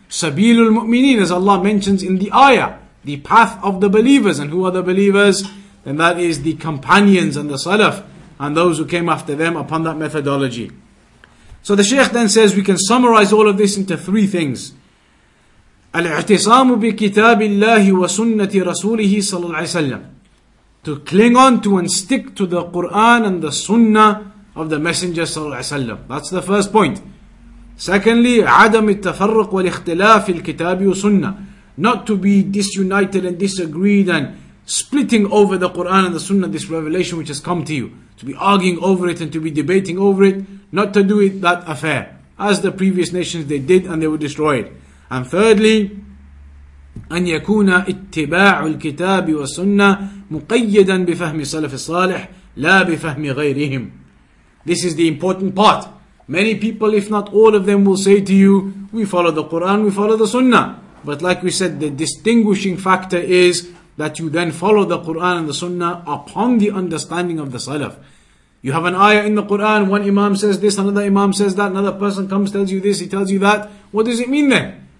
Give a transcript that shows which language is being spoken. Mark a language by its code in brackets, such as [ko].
[ar] سبيل المؤمنين, [en] as Allah mentions in the ayah, the path of the believers. And who are the believers? Then that is the companions and the salaf, and those who came after them upon that methodology. So the Shaykh then says, we can summarize all of this into three things. [ar] الاعتصام بكتاب الله وسنة رسوله صلى الله عليه وسلم. [en] To cling on to and stick to the Quran and the Sunnah of the Messenger [ar] صلى الله عليه وسلم. [en] That's the first point. [ar] Secondly, عدم التفرق والاختلاف في الكتاب والسنة. [en] Not to be disunited and disagreed and splitting over the Quran and the Sunnah, this revelation which has come to you. To be arguing over it and to be debating over it. Not to do it that affair. As the previous nations they did, and they were destroyed. And thirdly, [ar] أن يكون اتباع الكتاب والسنة مقيدا بفهم السلف الصالح لا بفهم غيرهم. [en] This is the important part. Many people, if not all of them, will say to you, we follow the Quran, we follow the Sunnah. But like we said, the distinguishing factor is that you then follow the Quran and the Sunnah upon the understanding of the Salaf. You have an ayah in the Quran, one imam says this, another imam says that, another person comes, tells you this, he tells you that. What does it mean then?